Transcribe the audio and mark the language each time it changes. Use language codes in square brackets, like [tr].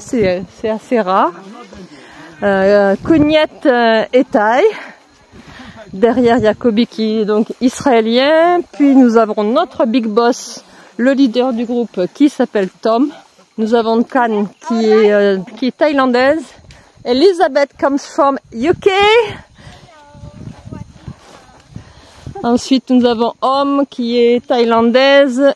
[fr] C'est assez rare. Cognette et Thaï. Derrière, il y a Kobe qui est donc israélien. Puis, nous avons notre big boss, le leader du groupe qui s'appelle Tom. Nous avons Khan qui est thaïlandaise. [en] Elizabeth comes from UK. [fr] Ensuite, nous avons Om qui est thaïlandaise.